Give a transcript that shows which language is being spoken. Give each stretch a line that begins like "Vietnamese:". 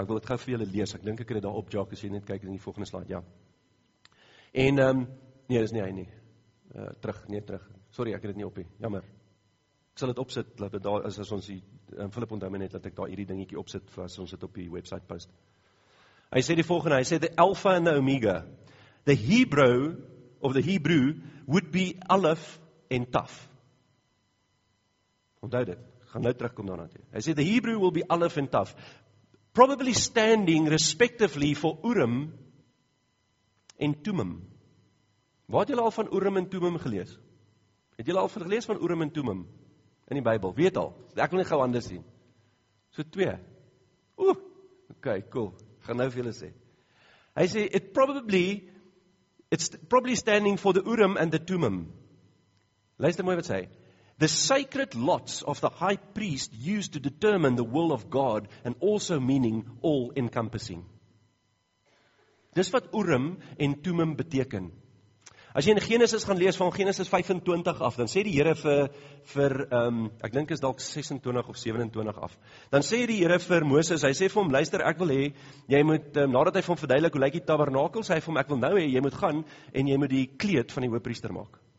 Afrikaans: Ek wil dit gou vir julle lees. Ek dink ek het dit daar op Jacques, as jy net kyk in die volgende slide, ja. En, nee, dis nie hy nie. Terug. Sorry, ek het dit nie op nie. Jammer. Ek sal dit opsit, laat dit daar is as ons die Philip onthou net dat ek daar hierdie dingetjie opsit vir as ons dit op die website post. Hy sê die volgende, hy sê
English: the Alpha and the Omega. The Hebrew of the Hebrew would be Aleph and Taf.
Afrikaans: Onthou dit. Gaan nou terugkom daarna toe. Hy sê
English: the Hebrew will be Aleph and Taf, probably standing respectively for Urim and Tumim.
Afrikaans: Waar het julle al van Urim en Tumim gelees? Het julle al gelees van Urim en Tumim in die Bybel? Weet al, ek wil nie gauw anders sien. So twee. Oeh, ok, cool. Gaan nou vir julle sê. Hy sê,
English: it's probably standing for the Urim and the Tumim.
Afrikaans: Luister mooi wat sê.
English: The sacred lots of the high priest used to determine the will of God and also meaning all encompassing.
Afrikaans: Dis wat Urim en Tumim beteken. As jy in Genesis gaan lees van Genesis 25 af, dan sê die Here vir ek dink is dalk 26 of 27 af, dan sê die Here vir Moses, hy sê vir hom, luister, ek wil hê, jy moet, nadat hy vir hom verduidelik, hoe lyk die tabernakel, sê hy vir hom, ek wil nou hê, jy moet gaan, en jy moet die kleed van die hoofpriester maak.